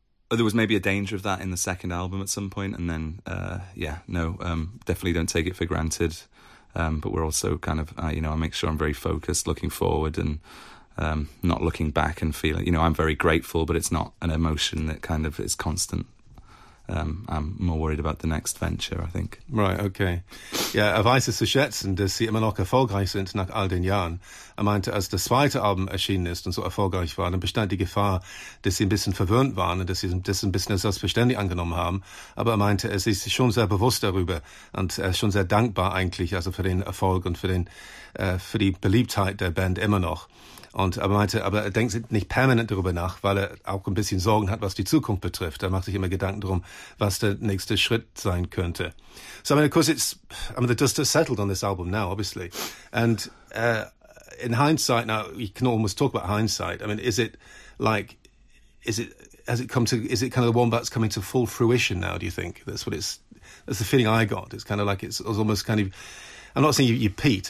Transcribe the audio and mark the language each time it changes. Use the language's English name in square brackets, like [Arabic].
[English] There was maybe a danger of that in the second album at some point, and then, definitely don't take it for granted. But we're also kind of, I make sure I'm very focused, looking forward and not looking back and feeling, I'm very grateful, but it's not an emotion that kind of is constant. I'm more worried about the next venture, I think. Right, okay. [German] Ja, er weiß es zu schätzen, dass sie immer noch erfolgreich sind nach all den Jahren. Er meinte, als das zweite Album erschienen ist und so erfolgreich war, dann bestand die Gefahr, dass sie ein bisschen verwöhnt waren und dass sie das ein bisschen selbstverständlich angenommen haben. Aber er meinte, er ist schon sehr bewusst darüber und er ist schon sehr dankbar eigentlich, also für den Erfolg und für die Beliebtheit der Band immer noch. Und er meinte, aber er denkt nicht permanent darüber nach, weil er auch ein bisschen Sorgen hat, was die Zukunft betrifft. Er macht sich immer Gedanken darum, was der nächste Schritt sein könnte. [English] So, the dust has settled on this album now, obviously. And in hindsight, now you can almost talk about hindsight. I mean, is it kind of the Wombats coming to full fruition now? Do you think that's the feeling I got? It's kind of like it's almost kind of. I'm not saying you peaked.